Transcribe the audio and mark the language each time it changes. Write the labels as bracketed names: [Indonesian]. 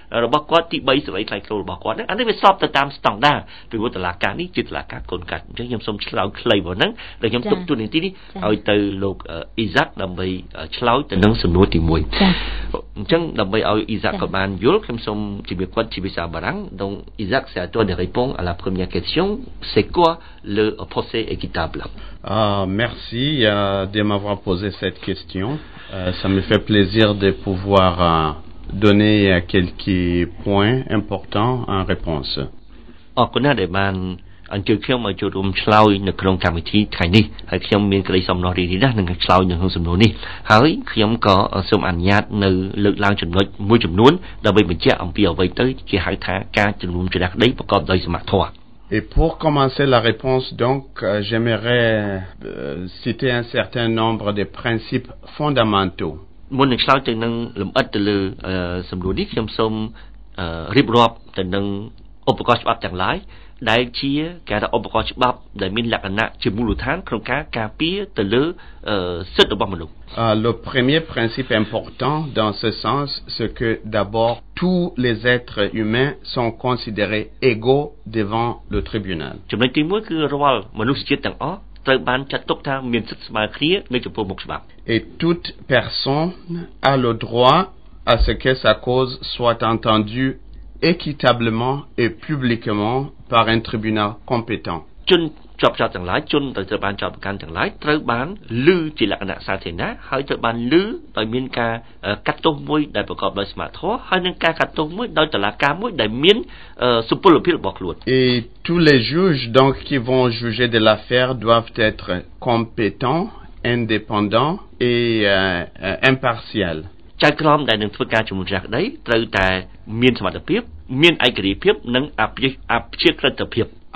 [Khmer] របស់គាត់ទី3សេរីផ្លៃខ្លួនរបស់គាត់ហ្នឹងអានេះវាស្របទៅតាមស្តង់ដាពីវិទ្យាសាស្ត្រនេះជាវិទ្យាសាស្ត្រកូនកាត់អញ្ចឹងខ្ញុំសូមឆ្លើយខ្លីបើហ្នឹងដែលខ្ញុំទុកទូនាទីនេះឲ្យទៅលោកអ៊ីសាក់ដើម្បីឆ្លើយទៅនឹងសំណួរទី1អញ្ចឹងដើម្បីឲ្យអ៊ីសាក់ក៏បានយល់ខ្ញុំសូមជាមួយគាត់ជាភាសាបារាំង [French] donc Isaac c'est à toi de répondre à la première question c'est quoi le procès équitable merci de m'avoir posé cette question ça me fait plaisir de pouvoir donner quelques points importants en réponse [Khmer] អរគុណដែលបានអញ្ជើញខ្ញុំមកចូលរួមឆ្លើយនៅក្នុងកម្មវិធីថ្ងៃនេះហើយខ្ញុំមានក្តីសំណោះរីករាយណាស់នឹងឆ្លើយនៅក្នុងសំណួរនេះហើយខ្ញុំក៏សូមអនុញ្ញាតនៅលើកឡើងចំណុចមួយចំនួនដើម្បីបញ្ជាក់អំពីអ្វីទៅជាហៅថាការជំនុំជម្រះក្តីប្រកបដោយសមធម៌ [French] Et pour commencer la réponse donc j'aimerais citer un certain nombre de principes fondamentaux [Khmer] មុននឹងឆ្លើយទៅនឹងលម្អិតទៅលើសំណួរនេះខ្ញុំសូមរៀបរាប់ទៅនឹងឧបករណ៍ច្បាប់ទាំងឡាយដែលជាគេថាឧបករណ៍ច្បាប់ដែលមានលក្ខណៈជាមូលដ្ឋានក្នុងការការពារទៅលើសិទ្ធិរបស់មនុស្ស [French] Le premier principe important dans ce sens c'est que d'abord tous les êtres humains sont considérés égaux devant le tribunal [Khmer] ចំណុចទី1គឺរាល់មនុស្សជាតិទាំងអស់ត្រូវបានចាត់ទុកថាមានសិទ្ធិស្មើគ្នានៅចំពោះមុខច្បាប់ [French] Et toute personne a le droit à ce que sa cause soit entendue équitablement et publiquement par un tribunal compétent. [Khmer] ជនជាប់ចោតទាំងឡាយជនដែលត្រូវបានចោទប្រកាន់ទាំងឡាយត្រូវបានលើជាលក្ខណៈសាធារណៈហើយត្រូវបានលើដោយមានការកាត់ទោសមួយដែលប្រកបដោយសមធម៌ហើយនឹងការកាត់ទោសមួយដោយតុលាការមួយដែលមានសុពលភាពរបស់ខ្លួន [French] Et tous les juges donc qui vont juger de l'affaire doivent être compétents, indépendants et impartials. [Khmer] ចៅក្រមដែលនឹងធ្វើការជំនុំជម្រះក្តីត្រូវតែមានសមត្ថភាពមានឯករាជ្យភាពនិងអព្យាក្រឹតភាព